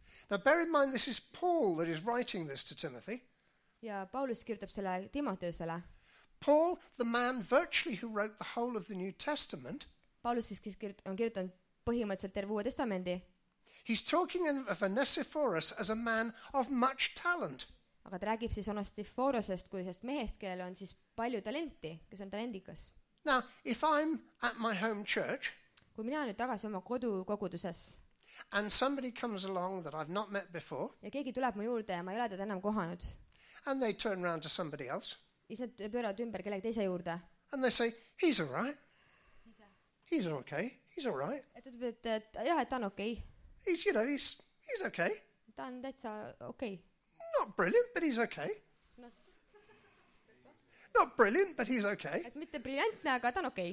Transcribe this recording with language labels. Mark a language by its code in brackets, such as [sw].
[en] Now bear in mind this is Paul that is writing this to Timothy. [et] Ja Paulus kirjutab selle Timoteusele. [en] Paul, the man virtually who wrote the whole of the New Testament. [et] Paulus siis on kirjutanud põhimõtteliselt terve Uue Testamendi. [en] He's talking of Onesiphorus as a man of much talent. [et] Aga ta räägib siis Onesiphorusest kui sest mehest, kellel on siis palju talenti, kes on talentikas. [en] Now, if I'm at my home church. [et] Kui mina nüüd tagasi oma kodukoguduses. [en] And somebody comes along that I've not met before. [et] Ja keegi tuleb mu juurde ja ma ei ole teda enam kohanud. [en] And they turn round to somebody else. [et] Ja pöörad ümber kellegi teise juurde. [en] And they say, he's all right. He's okay. he's all right. [et] Et ütleb, et, et, jah, et ta on okei. [en] Okay. He's, you know, he's okay. [et] Ta on täitsa okei. [en] Okay. Not brilliant, but he's okay. Not brilliant, but he's okay. [et] Et mitte briljantne, aga ta on okei.